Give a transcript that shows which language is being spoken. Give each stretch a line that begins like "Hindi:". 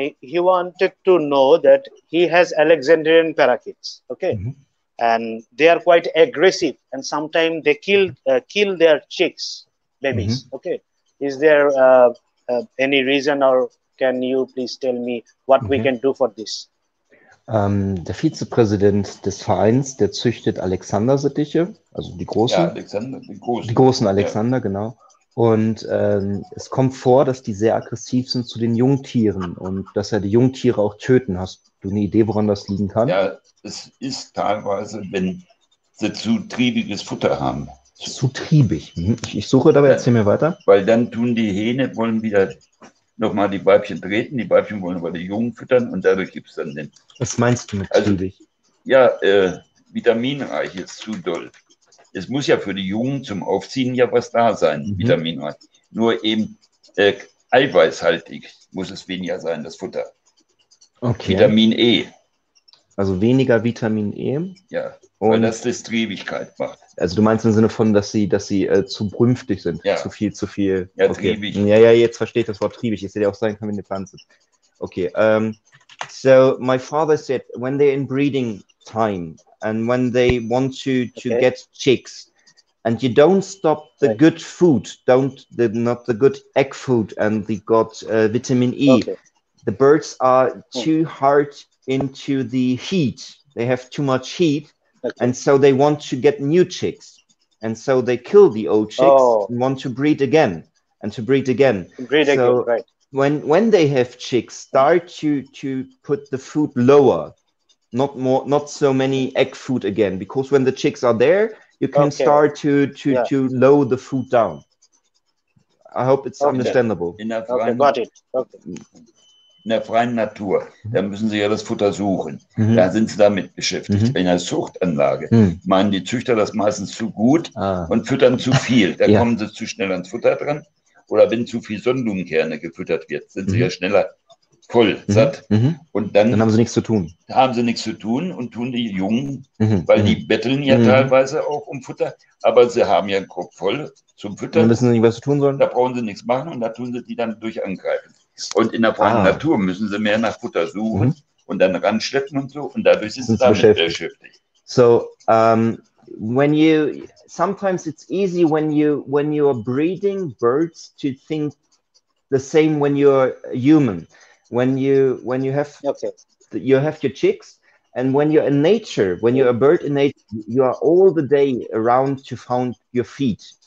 English: He wanted to know that he has Alexandrian parakeets, and they are quite aggressive, and sometimes they kill their chicks, babies. Mm-hmm. Okay, is there any reason, or can you please tell me what we can do for this?
German: Der Vizepräsident des Vereins, der züchtet Alexander-Sittiche, also die großen. Ja, Alexander, die großen. Die großen Alexander, genau. Und es kommt vor, dass die sehr aggressiv sind zu den Jungtieren und dass er die Jungtiere auch töten. Hast du eine Idee, woran das liegen kann? Ja, es ist teilweise, wenn sie zu triebiges Futter haben. Zu triebig. Ich suche dabei, erzähl mir weiter. Weil dann tun die Hähne, wollen wieder nochmal die Weibchen treten. Die Weibchen wollen aber die Jungen füttern und dadurch gibt es dann den... Was meinst du mit triebig? Also, ja, vitaminreich ist zu doll. Es muss ja für die Jungen zum Aufziehen ja was da sein, vitaminreich. Nur eben eiweißhaltig muss es weniger sein, das Futter. Okay. Vitamin E. Also weniger Vitamin E. Ja, und weil das Triebigkeit macht. Also du meinst im Sinne von, dass sie zu brünftig sind, zu viel. Ja, okay. Triebig. Ja, jetzt verstehe ich das Wort triebig. Es hätte auch sein können, wenn eine Pflanze ist. Okay.
English: So my father said, when they're in breeding time, and when they want to get chicks, and you don't stop the good food, not the good egg food, and they got vitamin E. Okay. The birds are too hard into the heat. They have too much heat, and so they want to get new chicks. And so they kill the old chicks and want to breed again, Right. When they have chicks, start to put the food lower. Not so many egg food again, because when the chicks are there, you can start to lower the food down. I hope it's understandable.
German: In der freien, in der freien Natur, da müssen sie ja das Futter suchen. Mhm. Da sind sie damit beschäftigt. Mhm. In der Zuchtanlage meinen die Züchter das meistens zu gut und füttern zu viel. Da kommen sie zu schnell ans Futter dran. Oder wenn zu viel Sonnenblumenkerne gefüttert wird, sind sie ja schneller voll, satt. Mhm. Und dann haben sie nichts zu tun. Haben sie nichts zu tun und tun die Jungen, weil die betteln ja teilweise auch um Futter, aber sie haben ja einen Kopf voll zum Füttern. Dann wissen sie nicht, was sie tun sollen. Da brauchen sie nichts machen und da tun sie die dann durch angreifen. Und in der freien Natur müssen sie mehr nach Futter suchen und dann ranschleppen und so und dadurch sind sie damit beschäftigt.
English: So, sometimes it's easy when you are breeding birds to think the same when you're human. When you have your chicks, and when you're in nature, when you're a bird in nature, you are all the day around to find your feet.